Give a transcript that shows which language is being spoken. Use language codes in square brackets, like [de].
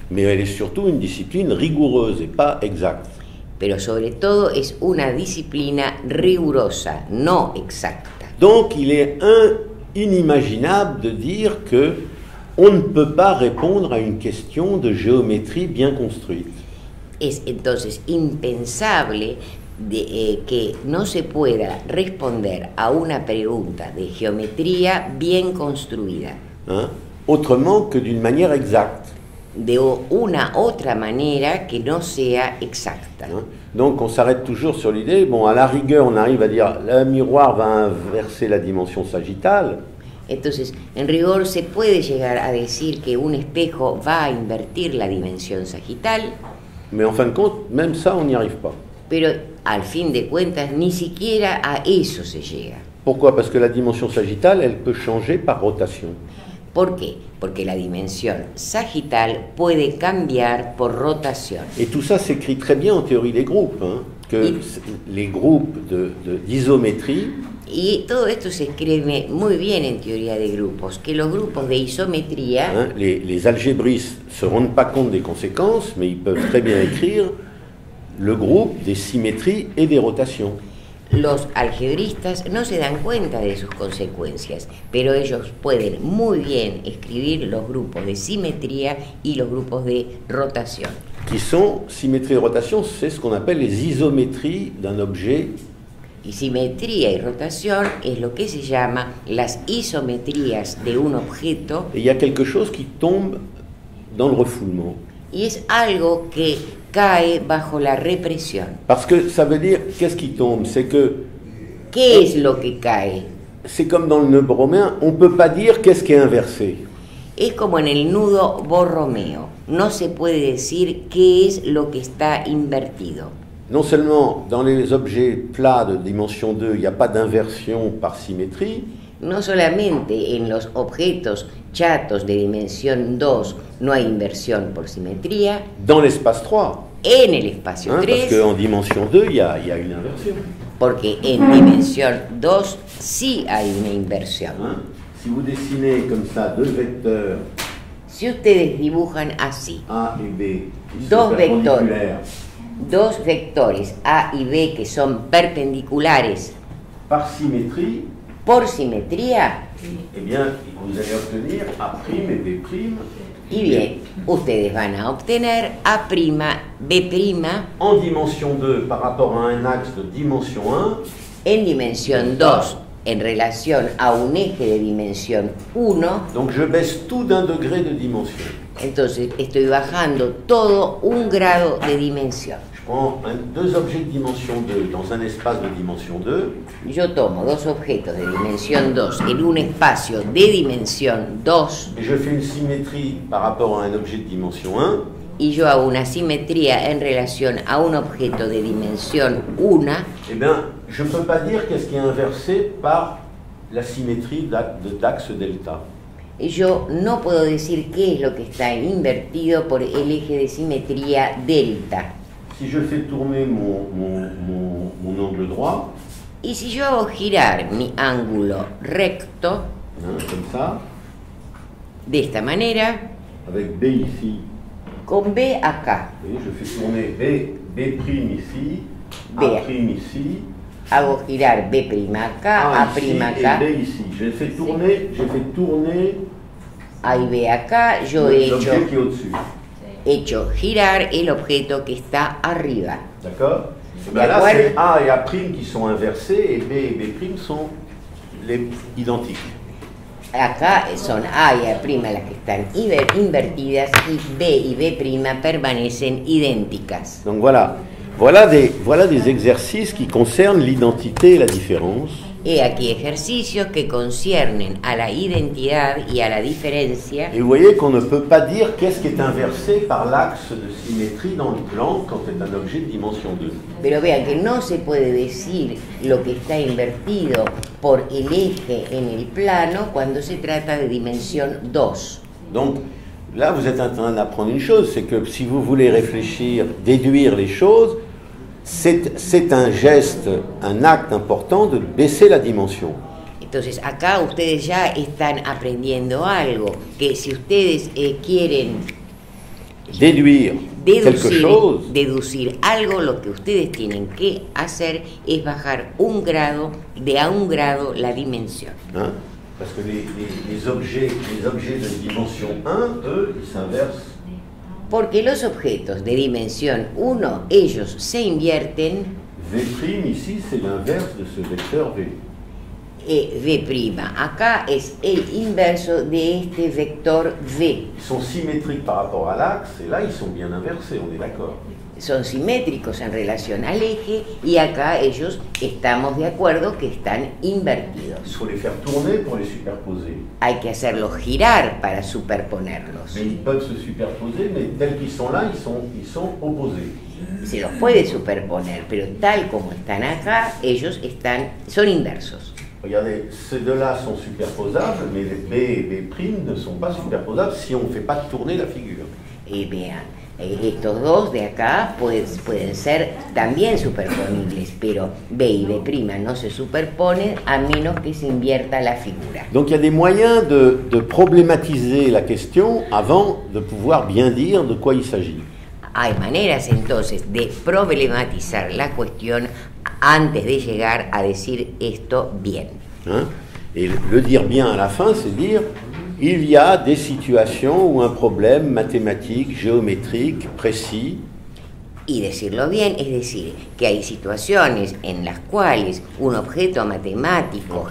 [fr] Mais elle est surtout une discipline rigoureuse et pas exacte. [es] Pero sobre todo es una disciplina rigurosa, no exacta. [fr] Donc il est inimaginable de dire que on ne peut pas répondre à une question de géométrie bien construite. [es] Es entonces impensable de que no se pueda responder a una pregunta de geometría bien construida. [fr] Autrement que d'une manière exacte. [es] De una otra manera que no sea exacta. [fr] Donc on s'arrête toujours sur l'idée, bon, à la rigueur on arrive à dire le miroir va inverser la dimension sagittale. [es] Entonces, en rigor se puede llegar a decir que un espejo va a invertir la dimensión sagital. [fr] Mais en fin de compte, même ça on n'y arrive pas. [es] Pero al fin de cuentas ni siquiera a eso se llega. [fr] Pourquoi? Parce que la dimension sagittale, elle peut changer par rotation. [es] ¿Por qué? Porque la dimensión sagital puede cambiar por rotación. [fr] Et tout ça s'écrit très bien en théorie des groupes, que les groupes d'isométrie. [es] Y todo esto se escribe muy bien en teoría de grupos, que los grupos de isometría. [fr] Les algébristes se rendent pas compte des conséquences, mais ils peuvent très bien écrire le groupe des symétries et des rotations. [es] Los algebristas no se dan cuenta de sus consecuencias, pero ellos pueden muy bien escribir los grupos de simetría y los grupos de rotación. [fr] Qui sont symétrie et rotation, c'est ce qu'on appelle les isométries d'un objet. [es] Y simetría y rotación es lo que se llama las isometrías de un objeto. [fr] Il y a quelque chose qui tombe dans le refoulement. [es] Y es algo que cae bajo la represión. [fr] Parce que ça veut dire, qu'est-ce qui tombe? C'est que... [es] ¿Qué es lo que cae? [fr] C'est comme dans le nœud borroméen, on ne peut pas dire qu'est-ce qui est inversé. [es] Es como en el nudo borromeo. No se puede decir qué es lo que está invertido. [fr] Non seulement dans les objets plats de dimension 2, il n'y a pas d'inversion par symétrie. [es] No solamente en los objetos chatos de dimensión 2 no hay inversión por simetría. [fr] Dans l'espace 3. [es] En el espacio 3. [fr] Parce qu'en dimension 2 il y a une inversion. [es] Porque en dimensión 2 sí hay una inversión. [fr] Si vous dessinez comme ça deux vecteurs. [es] Si ustedes dibujan así. A y B. Dos vectores A y B que son perpendiculares. [fr] Par symétrie. [es] Por simetría. [fr] Eh bien, vous allez obtenir A' et B'. [es] Y bien, ustedes van a obtener A', B'. [fr] En dimension 2 par rapport à un axe de dimension 1. [es] En dimensión 2, en relación a un eje de dimensión 1. [fr] Donc je baisse tout d'un degré de dimension. [es] Entonces estoy bajando todo un grado de dimensión. [fr] Prends deux objets de dimension 2 dans un espace de dimension 2. [es] Yo tomo dos objetos de dimensión 2 en un espacio de dimensión 2. [fr] Et je fais une symétrie par rapport à un objet de dimension 1. [es] Y yo hago una simetría en relación a un objeto de dimensión 1. [fr] Eh bien, je peux pas dire qu'est-ce qui est inversé par la symétrie de d'axe delta. [es] Y yo no puedo decir qué es lo que está invertido por el eje de simetría delta. [fr] Si je fais tourner mon angle droit. [es] Y si yo hago girar mi ángulo recto. [fr] Comme ça. [es] De esta manera. [fr] Avec B ici. [es] Con B acá. [fr] Et je fais tourner B' ici. B' ici. [es] Hago girar B' acá. A' acá. [fr] Et B ici. Je fais tourner [es] A y B acá, yo he hecho, [fr] l'objet qui est au-dessus. [es] Hecho girar el objeto que está arriba. [fr] D'accord. Ben là, c'est A et A' qui sont inversés et B et B' sont les identiques. [es] Acá son A y A' las que están invertidas y B y B' permanecen idénticas. [fr] Donc voilà. Voilà des exercices qui concernent l'identité et la différence. [es] Et aquí ejercicios que conciernen a la identidad y a la diferencia. [fr] Et vous voyez qu'on ne peut pas dire qu'est-ce qui est inversé par l'axe de symétrie dans le plan quand c'est un objet de dimension 2. [es] Pero vean que no se puede decir lo que está invertido por el eje en el plano cuando se trata de dimensión 2. [fr] Donc là, vous êtes en train d'apprendre une chose, c'est que si vous voulez réfléchir, déduire les choses, c'est un geste, un acte important de baisser la dimension. [es] Entonces, acá ustedes ya están aprendiendo algo, que si ustedes quieren [fr] déduire quelque chose, [es] deducir algo, lo que ustedes tienen que hacer es bajar un grado, de a un grado la dimensión. [fr] Hein? Parce que les objets de dimension 1, eux, ils s'inversent. [es] Porque los objetos de dimensión 1, ellos se invierten. [fr] V' ici, c'est l'inverse de ce vecteur V. [es] Et V', acá es el inverso de este vector V. [fr] Ils sont symétriques par rapport à l'axe, et là, ils sont bien inversés, on est d'accord. [es] Son simétricos en relación al eje y acá ellos estamos de acuerdo que están invertidos. [fr] Il faut les faire tourner pour les superposer. [es] Hay que hacerlos girar para superponerlos. [fr] Mais ils peuvent se superposer, mais tels qu'ils sont là, ils sont opposés. [es] Se los puede superponer, pero tal como están acá, ellos están, son inversos. [fr] Regardez, ces deux-là sont superposables, mais les B et B' ne sont pas superposables si on ne fait pas tourner la figure. Eh bien, [es] estos dos de acá pueden ser también superponibles, pero B y B' no se superponen a menos que se invierta la figura. [fr] Donc il y a des moyens de problématiser la question avant de pouvoir bien dire de quoi il s'agit. [es] Hay maneras entonces de problematizar la cuestión antes de llegar a decir esto bien. [fr] Hein? Et le dire bien à la fin, c'est dire: il y a des situations où un problème mathématique, géométrique, précis. [es] Y decirlo bien, es decir, que hay situaciones en las cuales un objeto matemático,